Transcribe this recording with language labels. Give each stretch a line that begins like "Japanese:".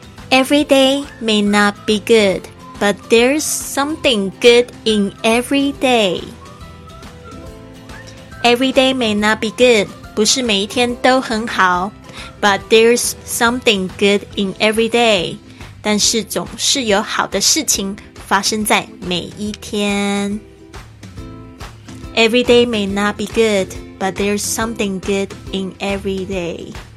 English: Every day may not be good, but there's something good in every day. Every day may not be good,
Chinese: 不是每一天都很好,
English: but there's something good in every day.
Chinese: 但是总是有好的事情发生在每一天。
English: Every day may not be good, but there's something good in every day.